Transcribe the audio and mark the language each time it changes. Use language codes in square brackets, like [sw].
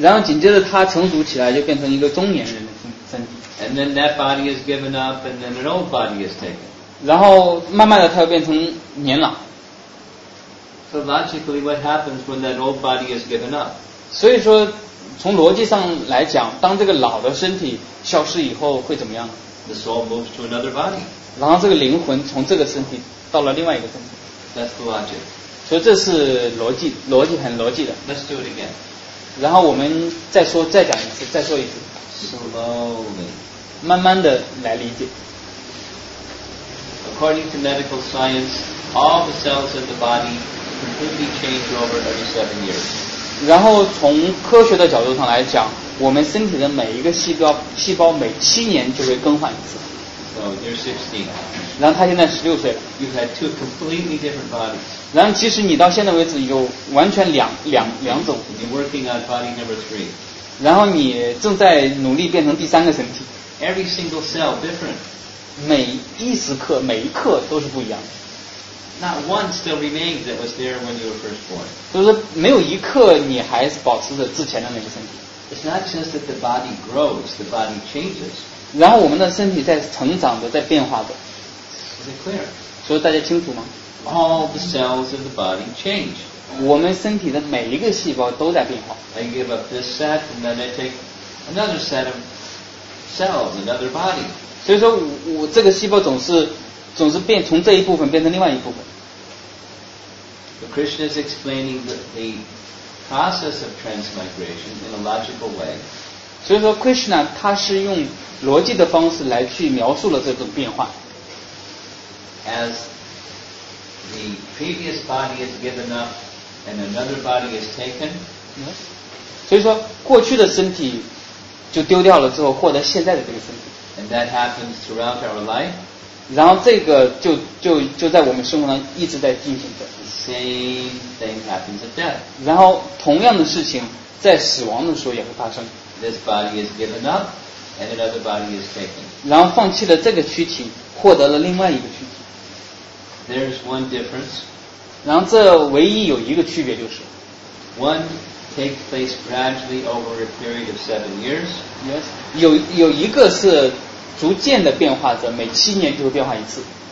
[zh] 然后紧接着他成熟起来就变成一个中年人的身体。 [en] And then that body is given up, and then an old body is taken. [zh] 然后慢慢的他又变成年老。 [en] So logically, what happens when that old body is given up? [zh] 所以说，从逻辑上来讲，当这个老的身体消失以后会怎么样？ [en] The soul moves to another body. [zh] 然后这个灵魂从这个身体到了另外一个身体。 [en] That's the logic. [zh] 所以这是逻辑，逻辑很逻辑的。 [en] Let's do it again. [zh] 然后我们再说，再讲一次，再说一次。 [en] Slowly. [zh] 慢慢的来理解。 [en] According to medical science, all the cells in the body. Completely change over every 7 years. [zh] 然后从科学的角度上来讲，我们身体的每一个细胞每7年就会更换一次。 [en] So you're 16. [zh] 然后他现在16岁了。 [en] You've had two completely different bodies. [zh] 然后其实你到现在为止有完全两种。 [en] You're working on body number three. [zh] 然后你正在努力变成第三个身体。 [en] Every single cell different. [zh] 每一时刻每一刻都是不一样的。 [en] Not one still remains that was there when you were first born. [zh] 就是没有一刻你还保持着之前的那个身体。 [en] It's not just that the body grows, the body changes. [zh] 然后我们的身体在成长着，在变化着。 [en] Is it clear? [zh] 所以大家清楚吗？ [en] All the cells in the body change. [zh] 我们身体的每一个细胞都在变化。 [en] I give up this set, and then I take another set of cells, another body. [zh] 所以说我这个细胞总是变从这一部分变成另外一部分。 [en] The Krishna is explaining the process of transmigration in a logical way. [zh] 所以说 Krishna 他是用逻辑的方式来去描述了这种变化。 [en] As the previous body is given up and another body is taken. [zh] 所以说过去的身体就丢掉了之后获得现在的这个身体。 [en] And that happens throughout our life. [zh] 然后这个就在我们生活上一直在进行着。 [en] Same thing happens at death. [zh] 然后同样的事情在死亡的时候也会发生。 [en] This body is given up, and another body is taken. [zh] 然后放弃了这个躯体，获得了另外一个躯体。 [en] There's one difference. [zh] 然后这唯一有一个区别就是。 [en] One takes place gradually over a period of 7 years. [zh] Yes. 有一个是。逐渐的变化着，每7年就会变化一次。